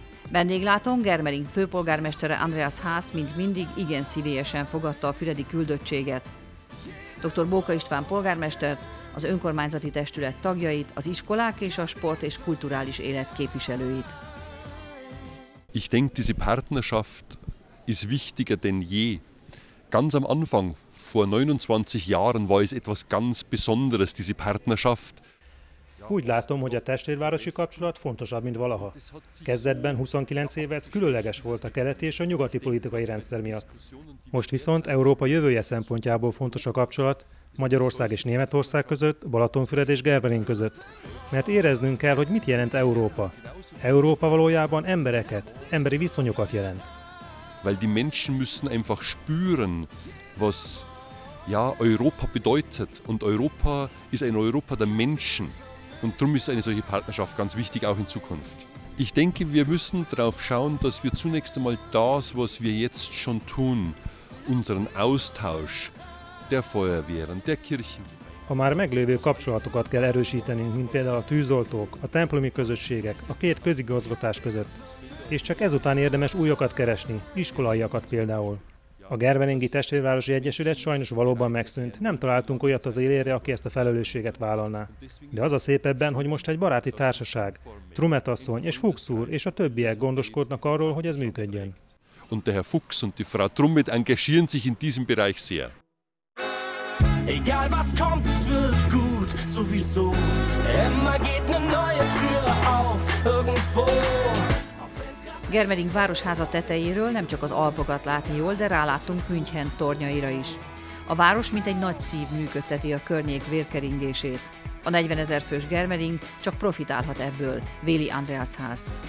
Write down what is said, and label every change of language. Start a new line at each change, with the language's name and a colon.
Hungarian: Vendéglátón Germering főpolgármestere Andreas Haas, mint mindig, igen szívélyesen fogadta a füredi küldöttséget. Dr. Bóka István polgármestert, az önkormányzati testület tagjait, az iskolák és a sport és kulturális élet képviselőit.
German: Ich denke, diese Partnerschaft ist wichtiger denn je. Ganz am Anfang, vor 29 Jahren war es etwas ganz Besonderes, diese Partnerschaft.
Hungarian: Úgy látom, hogy a testvérvárosi kapcsolat fontosabb, mint valaha. Kezdetben 29 éve ez különleges volt a keleti és a nyugati politikai rendszer miatt. Most viszont Európa jövője szempontjából fontos a kapcsolat, Magyarország és Németország között, Balatonfüred és Germering között. Mert éreznünk kell, hogy mit jelent Európa. Európa valójában embereket, emberi viszonyokat jelent.
German: Weil die Menschen müssen einfach spüren, was ja Europa bedeutet und Europa ist ein Europa der Menschen und drum ist eine solche Partnerschaft ganz wichtig auch in Zukunft. Ich denke, wir müssen darauf schauen, dass wir zunächst einmal das, was wir jetzt schon tun, unseren Austausch der Feuerwehren, der Kirchen.
Hungarian: A már meglévő kapcsolatokat kell erősítenünk, mint például a tűzoltók, a templomi közösségek, a két közigazgatás között. És csak ezután érdemes újakat keresni, iskolaiakat például. A Germeringi Testvérvárosi Egyesület sajnos valóban megszűnt. Nem találtunk olyat az élére, aki ezt a felelősséget vállalná. De az a szép ebben, hogy most egy baráti társaság, Trumet asszony és Fuchs úr és a többiek gondoskodnak arról, hogy ez működjön.
German: Und der Herr Fuchs und die Frau Trumet engagieren sich in diesem Bereich sehr. Egal was kommt, es wird gut, sowieso. Immer geht eine neue Tür auf, irgendwo.
Hungarian: Germering városháza tetejéről nem csak az Alpokat látni jól, de ráláttunk München tornyaira is. A város mint egy nagy szív működteti a környék vérkeringését. A 40 ezer fős Germering csak profitálhat ebből, véli Andreas Haas.